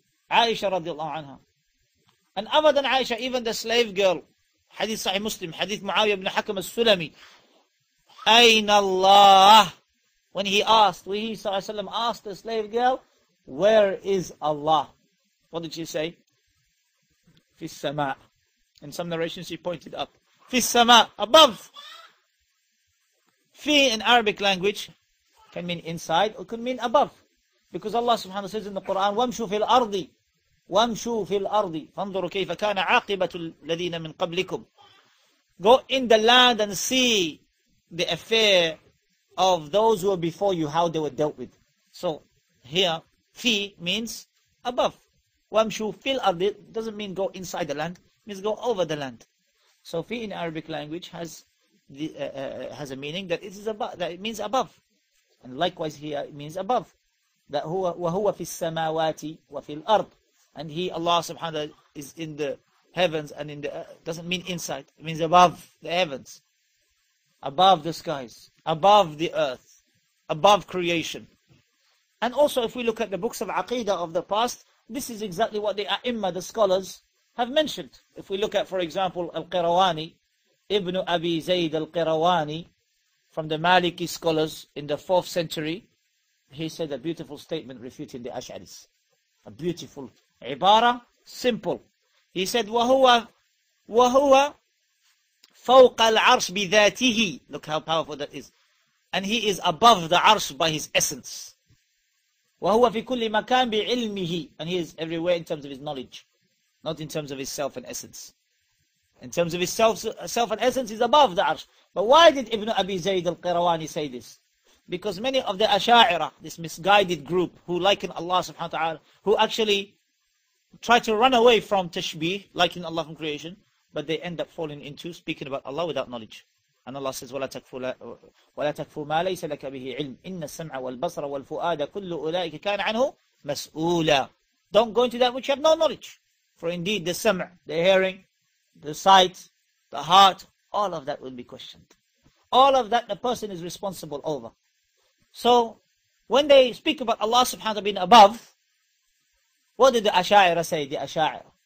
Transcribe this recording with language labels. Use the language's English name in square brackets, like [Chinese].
[English] Aisha radiallahu anha. And other than Aisha, even the slave girl, hadith Sahih Muslim, hadith Muawiyah ibn Hakam al-Sulami, Ayn Allah, when he asked, when he sallallahu alayhi wa sallam asked the slave girl, where is Allah? What did she say? Fi sama'. In some narrations she pointed up. Fi sama', above. Fi in Arabic language can mean inside or can mean above. Because Allah subhanahu wa ta'ala says in the Quran, [Arabic] وَامْشُوا فِي الْأَرْضِ وَامْشُوا فِي الْأَرْضِ فَانْظُرُوا كَيْفَ كَانَ عَاقِبَةُ الَّذِينَ مِنْ قَبْلِكُمْ. [English] Go in the land and see the affair of those who were before you, how they were dealt with. So here, fi means above. [Arabic] وَامْشُوا فِي الْأَرْضِ [English] doesn't mean go inside the land, it means go over the land. So fi in Arabic language has has a meaning that it is above, that it means above. And likewise here, it means above. [Arabic] That وَهُوَ فِي السَّمَاوَاتِ وَفِي الْأَرْضِ. [English] And he, Allah subhanahu wa ta'ala, is in the heavens and in the earth. Doesn't mean inside, it means above the heavens, above the skies, above the earth, above creation. And also if we look at the books of Aqidah of the past, this is exactly what the A'imma, the scholars, have mentioned. If we look at, for example, Al-Qirawani, Ibn Abi Zayd Al-Qirawani, from the Maliki scholars in the 4th century, he said a beautiful statement refuting the Ash'aris. A beautiful ibara, simple. He said, [Arabic] وَهُوَ فَوْقَ الْعَرْشِ بِذَاتِهِ. [English] Look how powerful that is. And he is above the arsh by his essence. [Arabic] وَهُوَ فِي كُلِّ مَكَانْ بِعِلْمِهِ. [English] And he is everywhere in terms of his knowledge, not in terms of his self and essence. In terms of his self and essence, he's above the arsh. But why did Ibn Abi Zayd al-Qirawani say this? Because many of the Asha'ira, this misguided group, who liken Allah subhanahu wa ta'ala, who actually try to run away from tashbih, liking Allah from creation, but they end up falling into speaking about Allah without knowledge. And Allah says, [Arabic] وَلَا تَكْفُوا مَا لَيْسَ لَكَ بِهِ عِلْمٍ إِنَّ السَّمْعَ وَالْبَصْرَ وَالْفُؤَادَ كُلُّ أُولَٰئِكَ كَانَ عَنْهُ مَسْئُولًا. [English] Don't go into that which you have no knowledge. For indeed, the sam', the hearing, the sight, the heart, all of that will be questioned. All of that the person is responsible over. So, when they speak about Allah subhanahu wa ta'ala being above, what did the Asha'ira say, the Asha'ira?